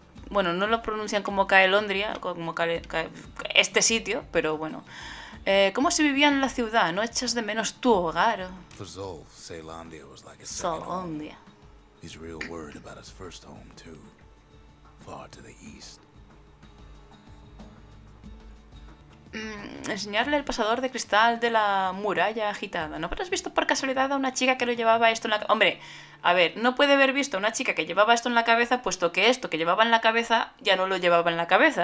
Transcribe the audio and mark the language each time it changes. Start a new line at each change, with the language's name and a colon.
Spanish: Bueno, no lo pronuncian como Caelondria, como este sitio, pero bueno. ¿Cómo se vivía en la ciudad? ¿No echas de menos tu hogar?
English: For Zul, Caelondria was like a second home. He's real worried about his first home, too. Far to the east.
Spanish: Enseñarle el pasador de cristal de la muralla agitada. ¿No habrás visto por casualidad a una chica que lo llevaba esto en la cabeza? Hombre, a ver, no puede haber visto a una chica que llevaba esto en la cabeza, puesto que esto que llevaba en la cabeza ya no lo llevaba en la cabeza.